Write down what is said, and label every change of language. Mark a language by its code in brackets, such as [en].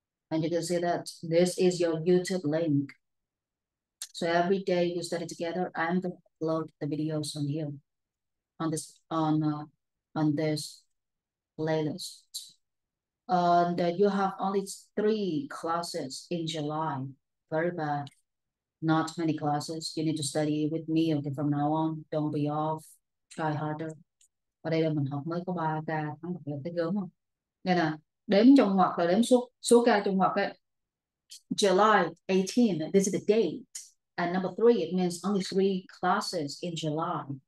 [en] And you can see that this is your YouTube link. So every day you study together, I'm going to upload the videos on here, on this playlist. That you have only 3 classes in July. Very bad. Not many classes. You need to study with me, okay, from now on. Don't be off. Try harder. [vi] Ở đây là mình học mới có 3 ca tháng 7, thấy gớm không? Nghe nè, đếm trong ngoặc là đếm số số ca trong ngoặc ấy. [en] July 18, this is the date. And number 3, it means only 3 classes in July.